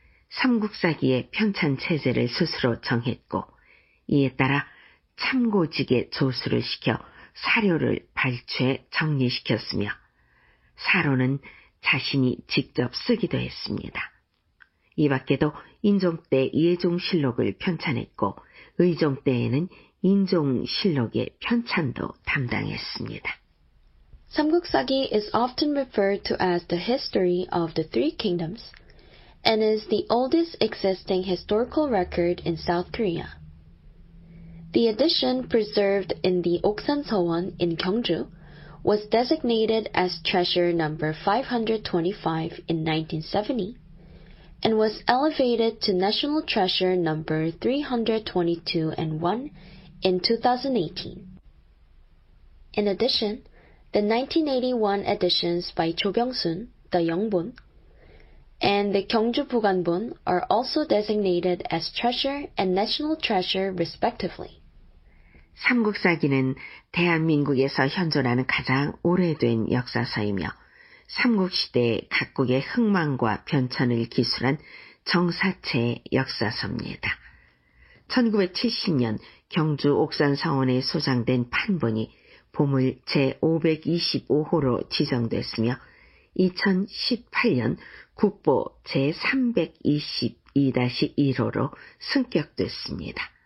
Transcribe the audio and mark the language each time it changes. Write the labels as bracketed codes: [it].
[ko] 삼국사기의 편찬 체제를 스스로 정했고 이에 따라 참고직에 조수를 시켜 사료를 발췌 정리시켰으며 사로는 자신이 직접 쓰기도 했습니다. 이 밖에도 인종 때 예종실록을 편찬했고 의종 때에는 인종실록의 편찬도 담당했습니다. [en] Samguksagi is often referred to as the history of the Three Kingdoms and is the oldest existing historical record in South Korea. The edition preserved in the Oksan Seowon in Gyeongju was designated as treasure number 525 in 1970 and was elevated to national treasure number 322-1 in 2018. In addition, the 1981 editions by Cho Byung-sun, the Yeongbun, and the Gyeongju Buganbun are also designated as treasure and national treasure respectively. [ko] 삼국사기는 대한민국에서 현존하는 가장 오래된 역사서이며 삼국시대 각국의 흥망과 변천을 기술한 정사체의 역사서입니다. 1970년 경주 옥산성원에 소장된 판본이 보물 제525호로 지정됐으며 2018년 국보 제322-1호로 승격됐습니다.